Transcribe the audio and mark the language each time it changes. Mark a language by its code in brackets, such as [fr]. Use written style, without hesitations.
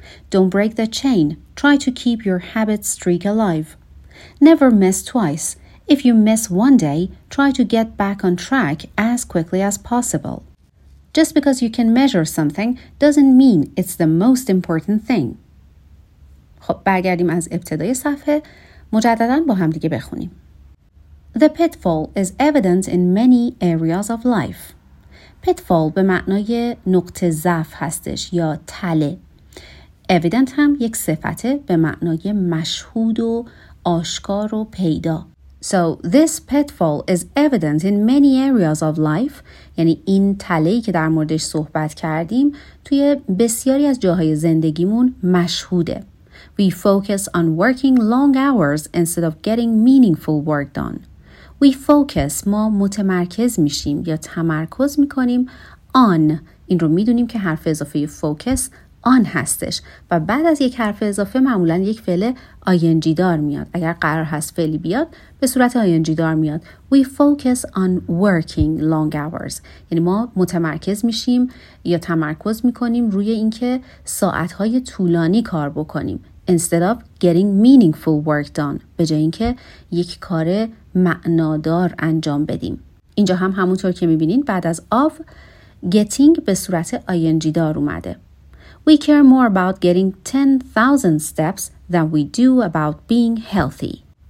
[en] Don't break the chain. Try to keep your habit streak alive. Never miss twice. If you miss one day, try to get back on track as quickly as possible. Just because you can measure something doesn't mean it's the most important thing. [fa] خب برگردیم از ابتدای صفحه مجدداً با هم دیگه بخونیم. [en] The pitfall is evident in many areas of life. [fa] Pitfall به معنای نقطه ضعف هستش یا تله. Evident هم یک صفته به معنای مشهود و آشکار و پیدا. [en] So this pitfall is evident in many areas of life. [fa] یعنی این تله‌ای که در موردش صحبت کردیم توی بسیاری از جاهای زندگیمون مشهوده. [en] We focus on working long hours instead of getting meaningful work done. We focus, [fa] ما متمرکز میشیم یا تمرکز میکنیم on. این رو میدونیم که حرف اضافه focus آن هستش و بعد از یک حرف اضافه معمولاً یک فعل آینجی دار میاد. اگر قرار هست فعلی بیاد به صورت آینجی دار میاد. [en] We focus on working long hours. [fa] یعنی ما متمرکز میشیم یا تمرکز میکنیم روی اینکه ساعتهای طولانی کار بکنیم. [en] Instead of getting meaningful work done. [fa] به جای اینکه یک کار معنادار انجام بدیم. اینجا هم همونطور که میبینین بعد از of getting به صورت آینجی دار اومده. [en] We care more about getting 10,000 steps than we do about being healthy.